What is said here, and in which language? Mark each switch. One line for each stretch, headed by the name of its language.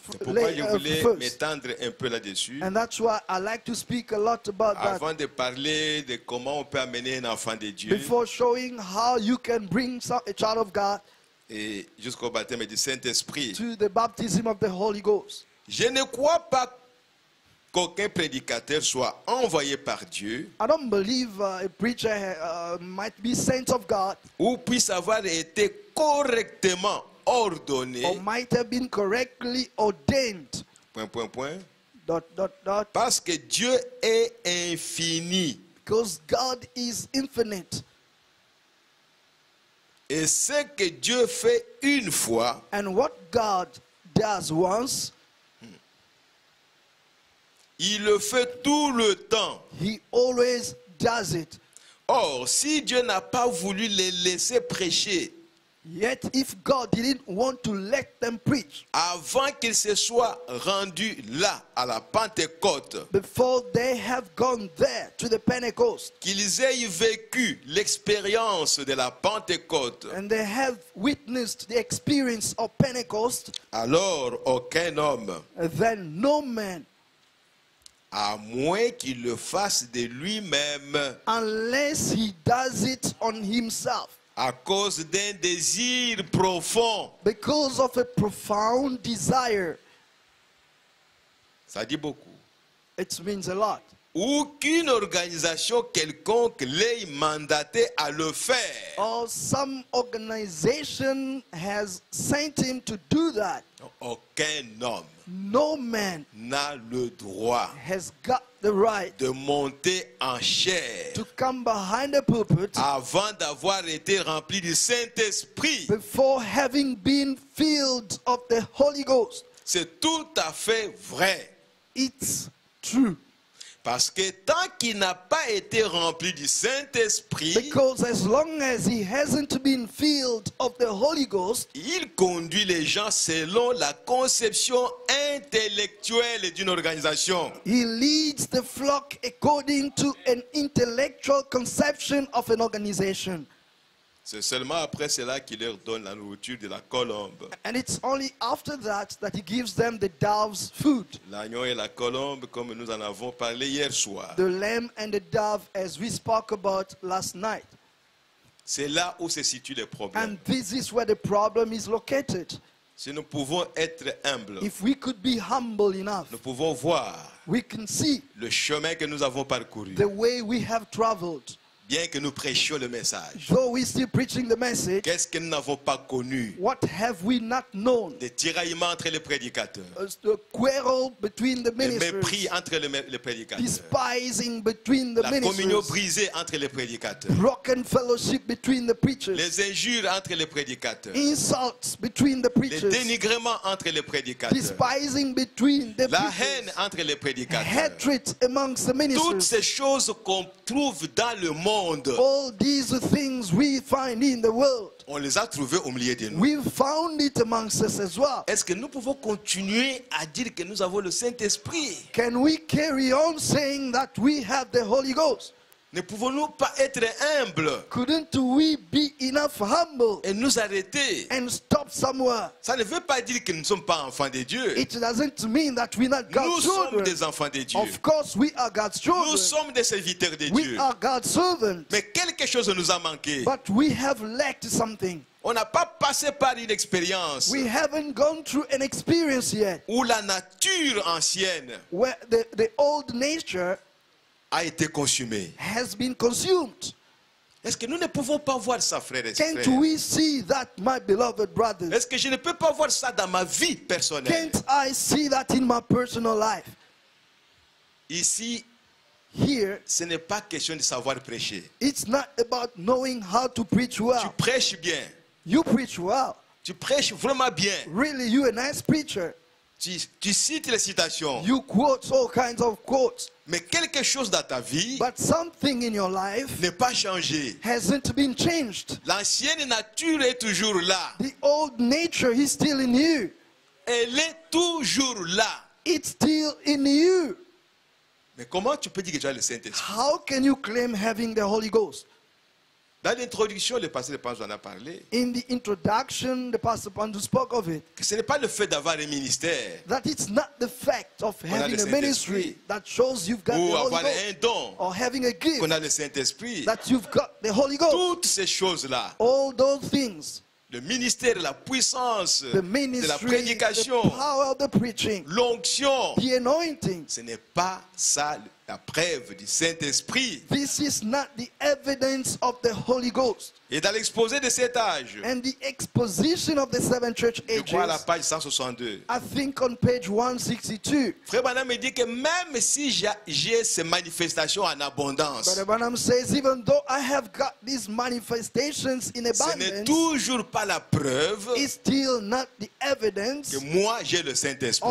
French: Pourquoi je voulais m'étendre un peu là-dessus.
English: And that's why I like to speak a lot about
French: avant
English: that.
French: De parler de comment on peut amener un enfant de Dieu.
English: Before showing how you can bring a child of God.
French: Et jusqu'au baptême du Saint-Esprit.
English: To the baptism of the Holy Ghost.
French: Je ne crois pas qu'aucun prédicateur soit envoyé par Dieu.
English: I don't believe a preacher might be sent of God.
French: Ou puisse avoir été correctement ordonné.
English: Or might have been correctly ordained.
French: Point, point, point.
English: Dot, dot, dot.
French: Parce que Dieu est infini.
English: Because God is infinite.
French: Et ce que Dieu fait une fois.
English: And what God does once.
French: Il le fait tout le temps.
English: He always does it.
French: Or, si Dieu n'a pas voulu les laisser prêcher,
English: yet if God didn't want to let them preach,
French: avant qu'ils se soient rendus là à la Pentecôte,
English: before they have gone there to the Pentecost,
French: qu'ils aient vécu l'expérience de la Pentecôte,
English: and they have witnessed the experience of Pentecost,
French: alors aucun homme,
English: then no man.
French: À moins qu'il le fasse de lui-même.
English: Unless he does it on himself.
French: À cause d'un désir profond.
English: Because of a profound desire.
French: Ça dit beaucoup.
English: It means a lot.
French: Ou qu'une organisation quelconque l'ait mandaté à le faire.
English: Or some organization has sent him to do that.
French: Aucun homme.
English: No man
French: n'a le droit
English: has got the right
French: de monter en chair
English: to come behind the pulpit
French: avant d'avoir été rempli du Saint-Esprit
English: before having been filled of the Holy Ghost.
French: C'est tout à fait vrai.
English: It's true.
French: Parce que tant qu'il n'a pas été rempli du Saint-Esprit,
English: because as long as he hasn't been filled of the Holy Ghost,
French: il conduit les gens selon la conception intellectuelle d'une organisation.
English: He leads the flock according to an intellectual conception of an organization.
French: C'est seulement après cela qu'il leur donne la nourriture de la colombe.
English: And it's only after that that he gives them the dove's food.
French: L'agneau et la colombe, comme nous en avons parlé hier soir.
English: The lamb and the dove, as we spoke about last night.
French: C'est là où se situe le problème.
English: And this is where the problem is located.
French: Si nous pouvons être humbles,
English: if we could be humble enough,
French: nous pouvons voir,
English: we can see,
French: le chemin que nous avons parcouru,
English: the way we have traveled.
French: Bien que nous prêchions le message,
English: message,
French: qu'est-ce que nous n'avons pas connu?
English: What have we not known?
French: Des tiraillements entre les prédicateurs,
English: the quarrel between the ministers,
French: le mépris entre les prédicateurs,
English: despising between the
French: la
English: ministers,
French: communion brisée entre les prédicateurs,
English: broken fellowship between the preachers,
French: les injures entre les prédicateurs,
English: insults between the preachers,
French: les dénigrements entre les prédicateurs,
English: despising between the
French: la haine entre les prédicateurs,
English: hatred amongst the ministers.
French: Toutes ces choses qu'on trouve dans le monde.
English: All these things we find in the world.
French: On les a trouvés au milieu de nous.
English: We found it amongst us as well.
French: Est-ce que nous pouvons continuer à dire que nous avons le Saint-Esprit?
English: Can we carry on saying that we have the Holy Ghost?
French: Ne pouvons-nous pas être humbles?
English: Couldn't we be enough humble?
French: Et nous arrêter?
English: And stop somewhere.
French: Ça ne veut pas dire que nous ne sommes pas enfants de Dieu.
English: It doesn't mean that we're not God's children.
French: Nous sommes des enfants de Dieu.
English: Of course we are God's children.
French: Nous sommes des serviteurs de
English: we
French: Dieu.
English: We are God's servants.
French: Mais quelque chose nous a manqué.
English: But we have lacked something.
French: On n'a pas passé par une expérience.
English: We haven't gone through an experience yet.
French: Où la nature ancienne.
English: Where the old nature
French: a été consumé.
English: Has been consumed.
French: Est-ce que nous ne pouvons pas voir ça, frères et sœurs?
English: Can't we see that, my beloved brothers?
French: Est-ce que je ne peux pas voir ça dans ma vie personnelle?
English: Can't I see that in my personal life?
French: Ici,
English: here,
French: ce n'est pas question de savoir prêcher.
English: It's not about knowing how to preach well.
French: Tu prêches bien.
English: You preach well.
French: Tu prêches vraiment bien.
English: Really, you're a nice preacher.
French: Tu cites les citations.
English: You quote all kinds of quotes.
French: Mais quelque chose dans ta vie,
English: but something in your life,
French: n'est pas changé.
English: Hasn't been changed.
French: L'ancienne nature est toujours là.
English: The old nature is still in you.
French: Elle est toujours là.
English: It's still in you.
French: Mais comment tu peux dire que tu as le Saint-Esprit?
English: How can you claim having the Holy Ghost?
French: Dans l'introduction, le pasteur Panzo en a parlé.
English: In the introduction, the pastor Panzo spoke of it.
French: Que ce n'est pas le fait d'avoir un ministère.
English: That it's not the fact of having a ministry that shows you've got the Holy Ghost.
French: Ou avoir un don.
English: Or having a gift.
French: Qu'on a le Saint-Esprit.
English: That you've got the Holy Ghost.
French: Toutes ces choses-là.
English: All those things.
French: Le ministère, la puissance,
English: the ministry,
French: de la prédication,
English: the power of the preaching,
French: l'onction,
English: the anointing.
French: Ce n'est pas ça la preuve du Saint-Esprit.
English: This is not the evidence of the Holy Ghost.
French: Et dans l'exposé de cet âge,
English: and the exposition of the seven church ages,
French: je crois à la page 162.
English: I think on page 162.
French: Frère Branham me dit que même si j'ai ces manifestations en abondance,
English: Brother Branham says even though I have got these manifestations in abundance,
French: ce n'est toujours pas la preuve,
English: it's still not the evidence,
French: que moi j'ai le Saint-Esprit,